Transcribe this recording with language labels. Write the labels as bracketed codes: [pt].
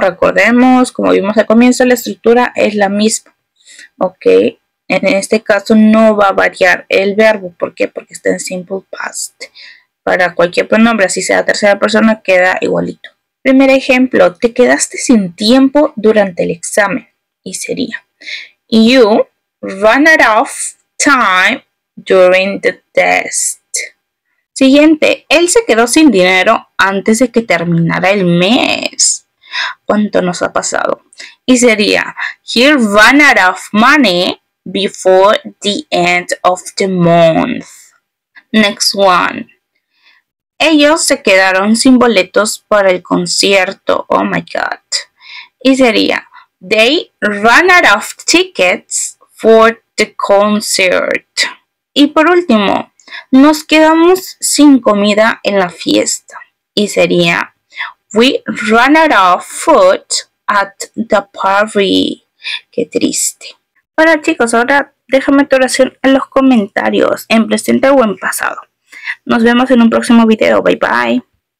[es] Recordemos, como vimos al comienzo, la estructura es la misma. Ok. En este caso no va a variar el verbo. ¿Por qué? Porque está en simple past. Para cualquier pronombre, así sea tercera persona, queda igualito. Primer ejemplo, te quedaste sin tiempo durante el examen. Y sería, [en] you run out of time during the test. [es] Siguiente, él se quedó sin dinero antes de que terminara el mes. ¿Cuánto nos ha pasado? Y sería, [en] he run out of money before the end of the month. Next one. [es] Ellos se quedaron sin boletos para el concierto. [en] Oh my God. [es] Y sería, [en] they ran out of tickets for the concert. [es] Y por último, nos quedamos sin comida en la fiesta. Y sería, [en] we ran out of food at the party. [es] Qué triste. Bueno chicos, ahora déjame tu oración en los comentarios, en presente o en pasado. Nos vemos en un próximo video. [en] Bye bye.